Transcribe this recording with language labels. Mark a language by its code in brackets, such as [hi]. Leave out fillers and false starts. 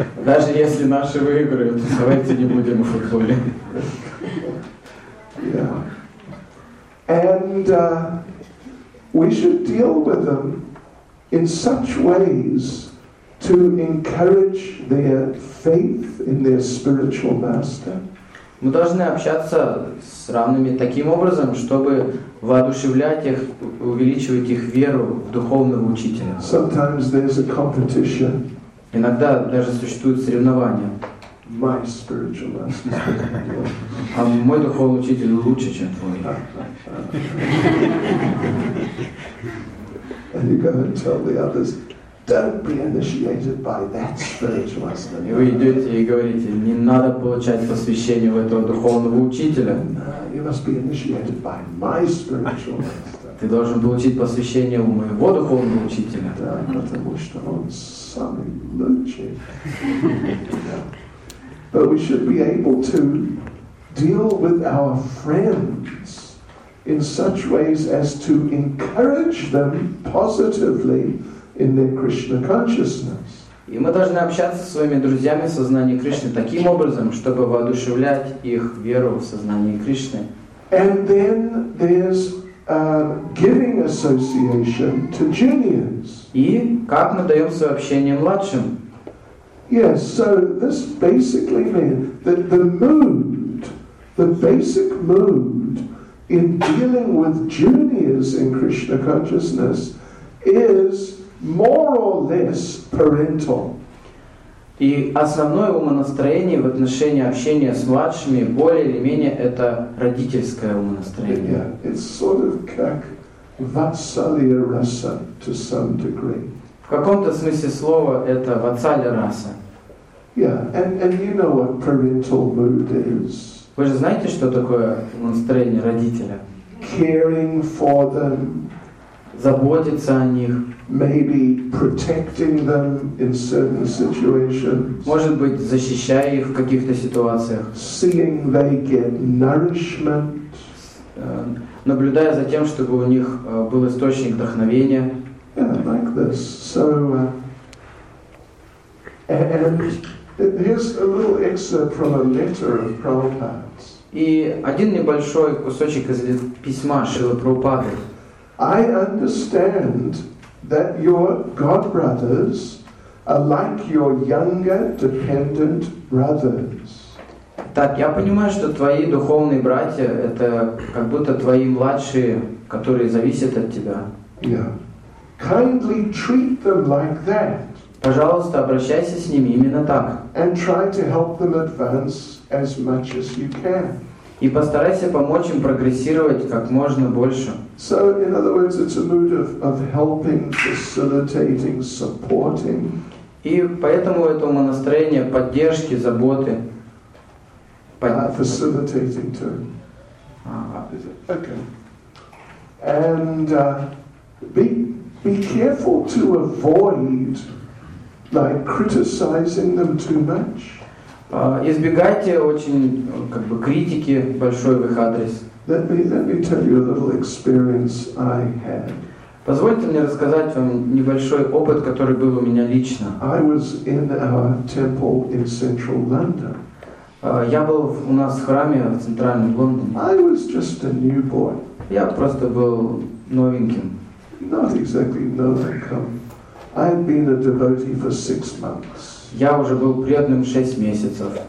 [ru] Даже если наши выиграют, давайте не будем в футболе. [en] Yeah. And we should deal with them in such ways to encourage their faith in their spiritual master. [ru] Мы должны общаться с равными таким образом, чтобы воодушевлять их, увеличивать их веру в духовного учителя. [en] Sometimes there's a competition. [ru] Иногда даже существуют соревнования. [en] My spiritual master. [ru] А мой духовный учитель лучше, чем твой. [en] And you go and tell the others, don't be initiated by that spiritual master. [ru] И вы идете и говорите, не надо получать посвящение у этого духовного учителя. [en] No, you must be initiated by my spiritual master. [ru] Ты должен получить посвящение у моего духовного учителя. Да, потому что он самый лучший. [en] But we should be able to deal with our friends in such ways as to encourage them positively in their Krishna consciousness. [ru] И мы должны общаться со своими друзьями в сознании Кришны таким образом, чтобы воодушевлять их веру в сознании Кришны. [en] And then there's giving association to juniors. [ru] И как мы даем свое общение младшим? [en] Yes, so this basically means that the mood, the basic mood in dealing with juniors in Krishna consciousness is more or less parental. [ru] И основное умонастроение в отношении общения с младшими более или менее это родительское умонастроение. [en] Yeah, it's sort of как vatsalya rasa to some degree. [ru] В каком-то смысле слова это vatsalya rasa. [en] Yeah, and you know what parental mood is. [ru] Вы же знаете, что такое настроение родителя? [en] Caring for them. [ru] Заботиться о них. [en] Maybe protecting them in certain situations. [ru] Может быть, защищая их в каких-то ситуациях. [en] Seeing they get nourishment. [ru] Наблюдая за тем, чтобы у них был источник вдохновения. [en] Yeah, like this. So, here's a little excerpt from a letter of Prabhupada's. [ru] И один небольшой кусочек из письма Шрилы Прабхупады. [en] I understand that your godbrothers are like your younger dependent brothers. [ru] Так, я понимаю, что твои духовные братья — это как будто твои младшие, которые зависят от тебя. [en] Yeah. Kindly treat them like that. [ru] Пожалуйста, обращайся с ними именно так. [en] And try to help them advance as much as you can. [ru] И постарайся помочь им прогрессировать как можно больше. [en] So, in other words, it's a mood of helping, facilitating, supporting. [ru] И поэтому этому настроение поддержки, заботы. [en] Facilitating too. Okay. And be careful to avoid like criticizing them too much. [ru] Избегайте очень как бы критики большой в их адрес. [en] Let me tell you a little experience I had. [ru] Позвольте мне рассказать вам небольшой опыт, который был у меня лично. [en] I was in our temple in central London. [ru] Я был у нас в храме в центральном Лондоне. [en] I was just a new boy. [ru] Я просто был новеньким. [en] Not exactly novicum. I had been a devotee for 6 months. [ru] Я уже был преданным 6 месяцев.